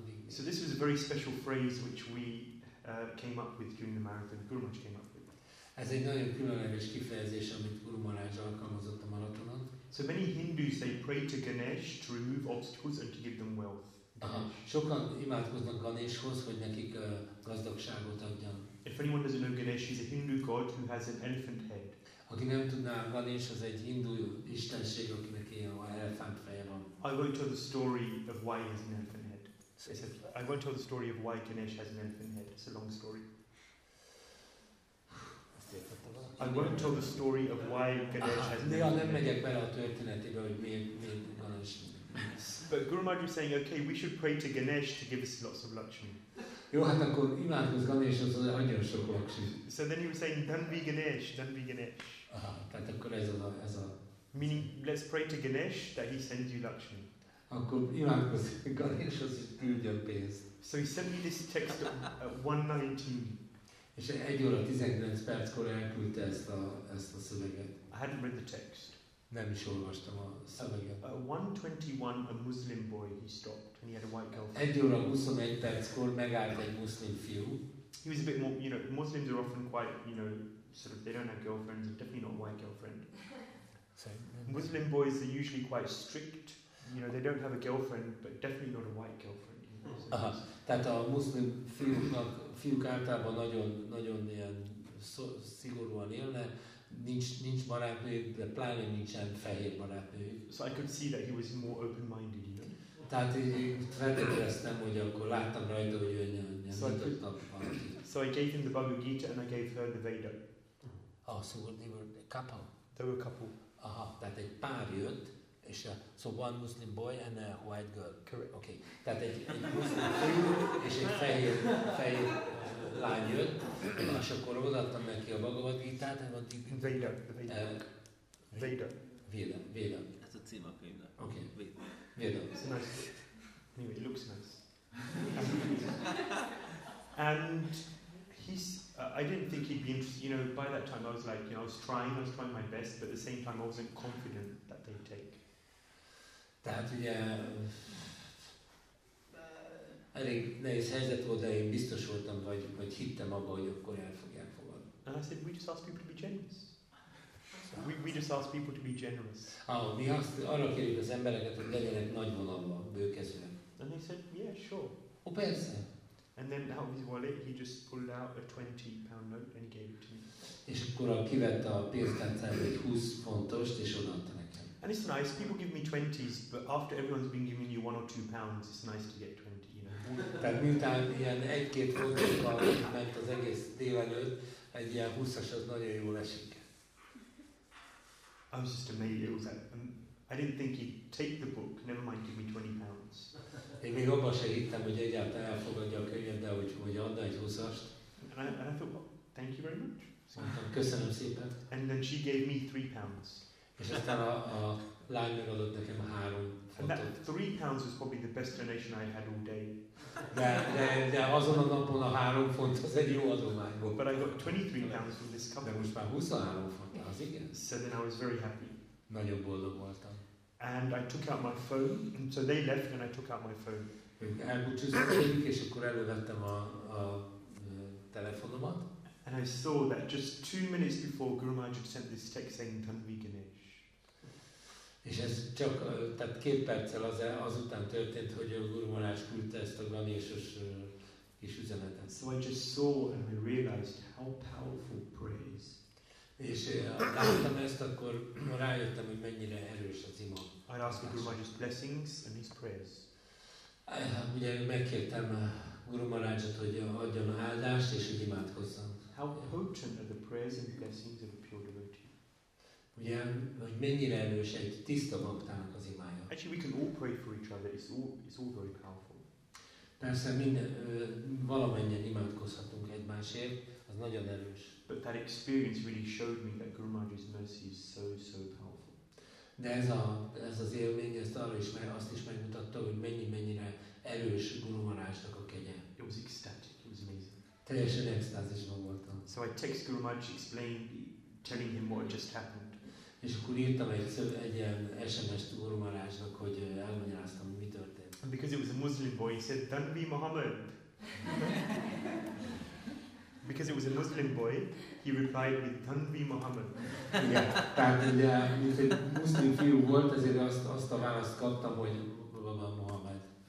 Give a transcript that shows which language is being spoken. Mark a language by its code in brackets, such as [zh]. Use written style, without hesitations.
[en] So this was a very special phrase which we came up with during the marathon. Guru Maharaj came up with. [hu] Ez egy nagyon különleges kifejezés, amit Guru Maharaj alkalmazott a maratonon. [en] So many Hindus, they pray to Ganesh to remove obstacles and to give them wealth. Aha. [hu] Sokan imádkoznak Ganeshhoz, hogy nekik gazdagságot adjon. [en] If anyone doesn't know Ganesh, he's a Hindu god who has an elephant head. [hu] aki nem tudná, Ganesh az egy hindu istenség, akinek ilyen elefánt feje van. [en] I won't tell the story of why he has an elephant head. I won't tell the story of why Ganesh has an elephant head. It's a long story. I won't tell the story of why Ganesh has an elephant head. [hu] Nem megyek bele a történetébe, hogy miért Ganesh. [en] But Guru Maharaj was saying, okay, we should pray to Ganesh to give us lots of Lakshmi. [hu] Jó, hát akkor imádkozz Ganeshhoz, hogy adjon sok Lakshmi. [en] So then he was saying, Dhanvi Ganesh, Dhanvi Ganesh. [hu] Aha, tehát akkor ez a... [en] Meaning, let's pray to Ganesh that he sends you Lakshmi. [hu] Akkor imádkozz Ganeshhoz, hogy küldjön pénzt. [en] So he sent me this text at 1:19. [hu] És 1:19 elküldte ezt a szöveget. [en] I hadn't read the text. [hu] Nem is olvastam a szöveget. [en] At 1:21, a Muslim boy, he stopped. And he had a white girlfriend. [hu] 1:21 megállt egy muszlim fiú. [en] He was a bit more, you know, Muslims are often quite, you know, sort of, they don't have girlfriends, definitely not a white girlfriend. Muslim boys are usually quite strict, you know, they don't have a girlfriend, but definitely not a white girlfriend. You know, so [hu] tehát a muszlim fiúk általában nagyon ilyen szigorúan élne, nincs barátnő, de pláne nincsen fehér barátnő. [en] So I could see that he was more open-minded, you know. [hu] Tehát feltételeztem, hogy akkor láttam rajta, hogy ő nyitottabb valaki. [en] So I gave him the Bhagavad Gita and I gave her the Veda. Oh, so they were a couple. They were a couple. [hu] Aha, tehát egy pár jött, és [en] so one Muslim boy and a white girl. Correct. Okay. [hu] Tehát egy Muslim fiú és egy fehér lány jött, és akkor odaadtam neki a Bhagavad Gita-t. [en] Veda. Veda. Veda. Veda. [hu] Ez a cím a könyvnek. [en] Okay. Veda. Yeah, no. It's nice. Anyway, it looks nice. And I didn't think he'd be interested. You know, by that time I was like, you know, I was trying my best, but at the same time I wasn't confident that they'd take. [hu] Tehát ugye elég nehéz helyzet volt, de én biztos voltam, vagy hittem abba, hogy akkor el fogják fogadni. [en] And I said, we just ask people to be generous. We just ask people to be generous. [hu] Oh, mi azt arra kérjük az embereket, hogy legyenek nagyvonalban, bőkezűen. [en] And they said, yeah, sure. [hu] Oh, persze. [en] And then out of his wallet, he just pulled out a 20-pound note and he gave it to me. [hu] És akkor kivette a pénztárcából egy 20 fontost és odaadta nekem. [en] And it's nice. People give me 20s, but after everyone's been giving you 1 or 2 pounds, it's nice to get 20, you know. [hu] Tehát miután ilyen 1-2 fontosban ment az egész délelőtt, egy ilyen 20-as az nagyon jól esik. [en] I was just amazed. It was that I didn't think he'd take the book. Never mind, give me 20 pounds. [hu] Én még abban sem hittem, hogy egyáltalán elfogadja a könyvet, de hogy adna egy 20-ast. [en] And I thought, well, thank you very much. [hu] Mondtam, köszönöm szépen. [en] And then she gave me 3 pounds. [hu] És aztán a lány megadott nekem 3 fontot. [en] And that 3 pounds was probably the best donation I had all day. [hu] De azon a napon a 3 font az egy jó adomány volt. [en] But I got 23 pounds from this company. [hu] De most már 23 font. Az igen. [en] So then I was very happy. [hu] Nagyon boldog voltam. [en] And I took out my phone. And so they left and I took out my phone. [hu] Elbúcsúztunk, és akkor elővettem a telefonomat. [en] And I saw that just 2 minutes before Guru Maharaj had sent this text saying Dhanvi Ganesh. [hu] És ez csak, tehát 2 perccel azután történt, hogy a Guru Maharaj küldte ezt a Ganeshos kis üzenetet. [en] So I just saw and I realized how powerful prayer is. [hu] És láttam ezt, akkor rájöttem, hogy mennyire erős az ima. [en] I'd ask Guru Maharaj's blessings and his prayers. [hu] Ugye megkértem Guru Maharajot, hogy adjon áldást és hogy imádkozzam. [en] How potent are the prayers and blessings of a pure devotee? [hu] Ugye, hogy mennyire erős egy tiszta baktának az imája. [en] Actually, we can all pray for each other. It's all very powerful. [hu] Persze minden, valamennyien imádkozhatunk egymásért, az nagyon erős. [en] But that experience really showed me that Guru Maharaj's mercy is so, so powerful. [hu] De ez az élmény, ezt arra is, mert azt is megmutatta, hogy mennyire erős Guru Maharajnak a kegye. [en] It was ecstatic, it was amazing. [hu] Teljesen extázisban voltam. [en] So I text Guru Maharaj explaining, telling him what just happened. [hu] És akkor írtam egy ilyen SMS-t Guru Maharajnak, hogy elmagyaráztam, hogy mi történt. [en] And because it was a Muslim boy, he said, Dhanvi Muhammad. Because it was a Muslim boy, he replied with Dhanvi Muhammad. [hu] Tehát ugye, mint egy muszlim fiú volt, ezért azt a választ kaptam, hogy Baba Muhammad.